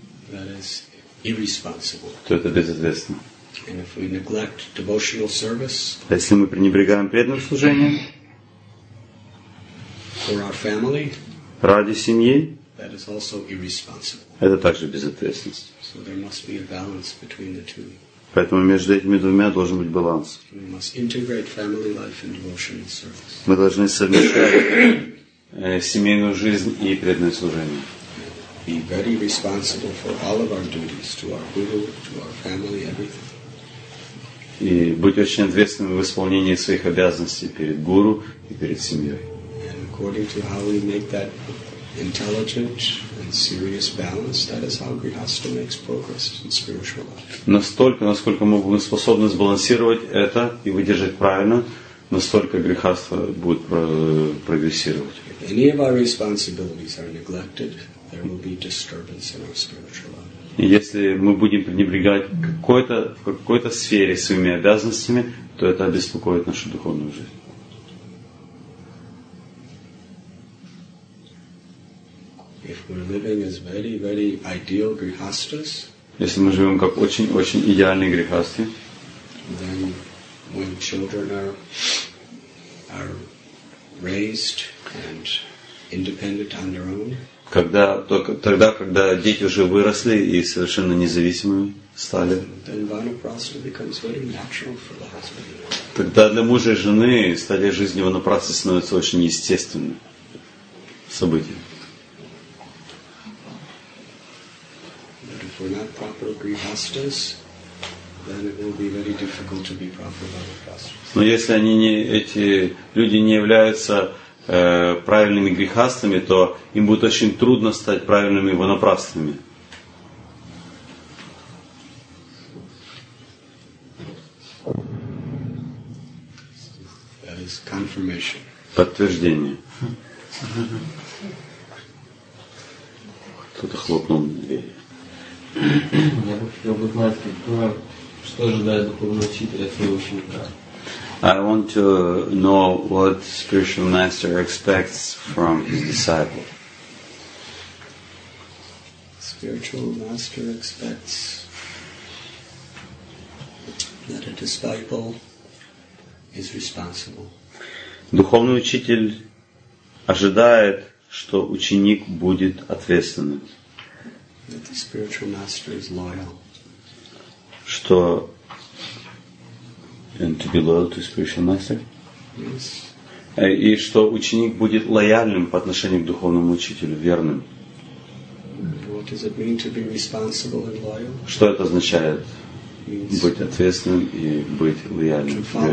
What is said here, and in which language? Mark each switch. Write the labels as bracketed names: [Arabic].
[English] that is irresponsible. [Russian] То это безответственно. [English] And if we neglect devotional service, [Russian] а если мы пренебрегаем преданным служением [English] for our family, [Russian] ради семьи, [English] that is also irresponsible. [Russian] Это также безответственность. [English] So there must be a balance between the two. [Russian] Поэтому между этими двумя должен быть баланс. Мы должны совмещать семейную жизнь и преданное служение. И быть очень ответственным в исполнении своих обязанностей перед гуру и перед семьей. [English] And according to how we make that intelligent and serious balance, that is how Grihastha makes progress in spiritual life. [Russian] Настолько, насколько мы будем способны сбалансировать это и выдержать правильно, настолько Грихастха будет прогрессировать. [English] If any of our responsibilities are neglected, there will be disturbance in our spiritual life. [Russian] Если мы будем пренебрегать в какой-то сфере своими обязанностями, то это обеспокоит нашу духовную жизнь. [English] If we're living as very, very ideal grihasthas, [Russian] если мы живем как очень-очень идеальные грихасты, [English] then when children are raised and independent on their own, [Russian] когда дети уже выросли и совершенно независимыми стали, [English] then vanaprastha becomes very natural for the husband. [Russian] Тогда для мужа и жены стадия жизни ванапрасты становится очень естественным событием. [English] If we're not proper grihasthas, then it will be very difficult to be proper vanaprasthas. [Russian] Но если они не эти люди не являются правильными грихастами, то им будет очень трудно стать правильными ванапрасthами. [English] That is confirmation. [Russian] Подтверждение. Кто-то хлопнул дверь. Я бы хотел бы знать, что ожидает духовный учитель от своего ученика. [English] I want to know what spiritual master expects from his disciple. Spiritual master expects that a disciple is responsible. [Russian] Духовный учитель ожидает, что ученик будет ответственным. [English] That the spiritual master is loyal. [Russian] Что [English] and to be loyal to spiritual master? Yes. [Russian] И что ученик будет лояльным по отношению к духовному учителю, верным. [English] What does it mean to be responsible and loyal? [Russian] Что это означает? [English] Means [Russian] быть ответственным и быть лояльным.